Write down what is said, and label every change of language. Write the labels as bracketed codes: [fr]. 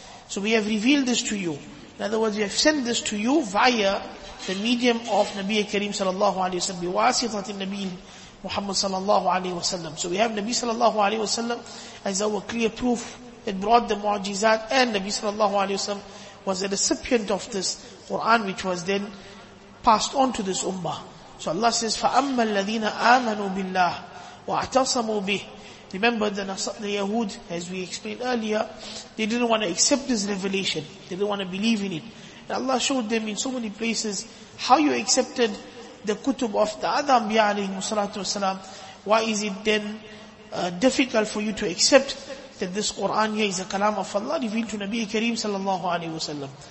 [en] So we have revealed this to you. In other words, we have sent this to you via the medium of Nabi Kareem sallallahu alayhi wa sallam, biwasitati Nabi Muhammad sallallahu alayhi wa sallam. So we have Nabi sallallahu alayhi wa sallam as our clear proof that brought the mu'ajizat, and Nabi sallallahu alayhi wa sallam was a recipient of this Quran, which was then passed on to this ummah. So Allah says, [ar] فَأَمَّا الَّذِينَ آمَنُوا بِاللَّهِ وَاعْتَصَمُوا بِهِ. [en] Remember the Yahud, as we explained earlier, they didn't want to accept this revelation. They didn't want to believe in it. And Allah showed them in so many places how you accepted the kutub of the other Anbiya alayhi salatu wasalam. Why is it then difficult for you to accept that this Quran here is a kalam of Allah revealed to Nabi Kareem sallallahu alayhi wa sallam?